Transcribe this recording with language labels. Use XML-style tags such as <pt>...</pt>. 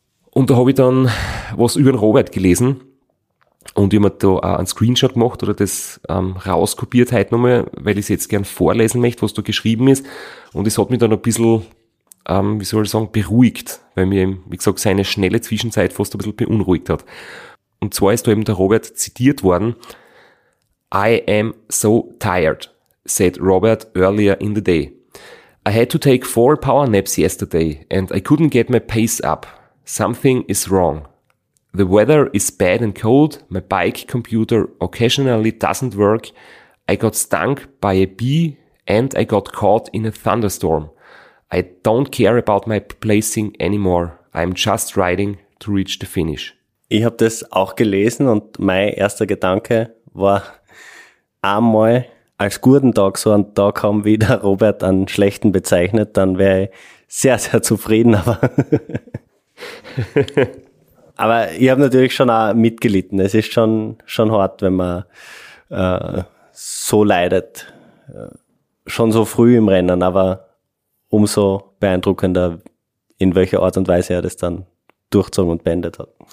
<de>Und da habe ich dann was über den Robert gelesen. Und ich habe mir da auch einen Screenshot gemacht oder das rauskopiert heute nochmal, weil ich es jetzt gern vorlesen möchte, was da geschrieben ist. Und es hat mich dann ein bisschen, wie soll ich sagen, beruhigt, weil mir, wie gesagt, seine schnelle Zwischenzeit fast ein bisschen beunruhigt hat. Und zwar ist da eben der Robert zitiert worden.</de> <en>"I am so tired," said Robert earlier in the day. "I had to take 4 power naps yesterday and I couldn't get my pace up. Something is wrong. The weather is bad and cold, my bike computer occasionally doesn't work, I got stung by a bee and I got caught in a thunderstorm. I don't care about my placing anymore, I'm just riding to reach the finish."</en> <de>Ich habe das auch gelesen und mein erster Gedanke war, einmal als guten Tag so einen Tag haben, wie der Robert einen schlechten bezeichnet, dann wäre ich sehr, sehr zufrieden, aber... Aber ich habe natürlich schon auch mitgelitten. Es ist schon hart, wenn man so leidet, schon so früh im Rennen, aber umso beeindruckender, in welcher Art und Weise er das dann durchzogen und beendet hat.</de>